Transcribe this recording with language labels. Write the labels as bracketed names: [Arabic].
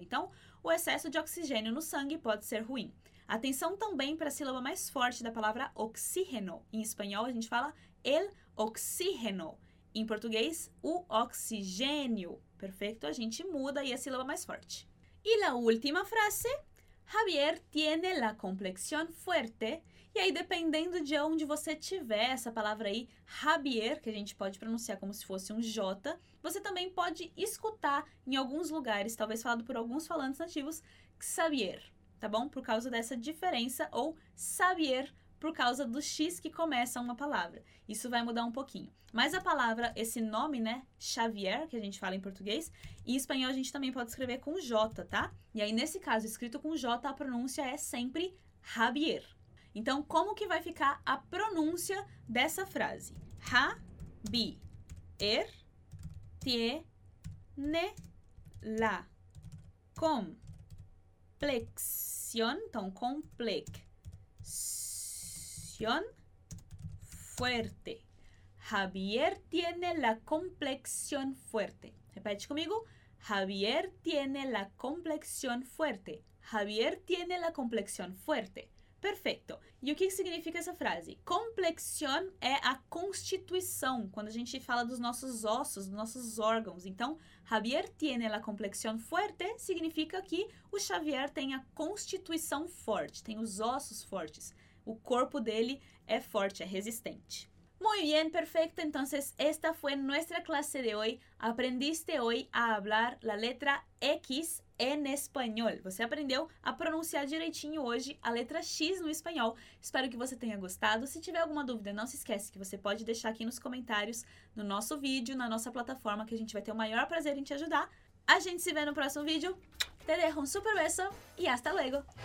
[Portuguese] Então, o excesso de oxigênio no sangue pode ser ruim. Atenção também para a sílaba mais forte da palavra oxígeno. Em espanhol a gente fala [Spanish] el oxígeno, [Portuguese] em português, o oxigênio. Perfeito? A gente muda aí a sílaba mais forte. E a última frase... [Spanish] Javier tiene la complexión fuerte. [Portuguese] E aí, dependendo de onde você tiver essa palavra aí, Javier, que a gente pode pronunciar como se fosse um J, você também pode escutar em alguns lugares, talvez falado por alguns falantes nativos, Xavier, tá bom? Por causa dessa diferença, ou Xavier, por causa do X que começa uma palavra. Isso vai mudar um pouquinho. Mas a palavra, esse nome, né, Xavier, que a gente fala em português, em espanhol a gente também pode escrever com J, tá? E aí, nesse caso, escrito com J, a pronúncia é sempre Javier. Então, como que vai ficar a pronúncia dessa frase? [Spanish] Javier tiene la complexión, [Portuguese] então, [Spanish] complexión fuerte. Javier tiene la complexión fuerte. Repite conmigo. Javier tiene la complexión fuerte. Javier tiene la complexión fuerte. Perfecto. [Portuguese] E o que significa essa frase? Complexión é a constituição, quando a gente fala dos nossos ossos, dos nossos órgãos. Então, [Spanish] Javier tiene la complexión fuerte [Portuguese] significa que o Xavier tem a constituição forte, tem os ossos fortes. O corpo dele é forte, é resistente. [Spanish] Muy bien, perfecto. Entonces, esta fue nuestra clase de hoy. Aprendiste hoy a hablar la letra X en español. [Portuguese] Você aprendeu a pronunciar direitinho hoje a letra X no espanhol. Espero que você tenha gostado. Se tiver alguma dúvida, não se esquece que você pode deixar aqui nos comentários, no nosso vídeo, na nossa plataforma, que a gente vai ter o maior prazer em te ajudar. A gente se vê no próximo vídeo. [Spanish] Te dejo un super beso y hasta luego.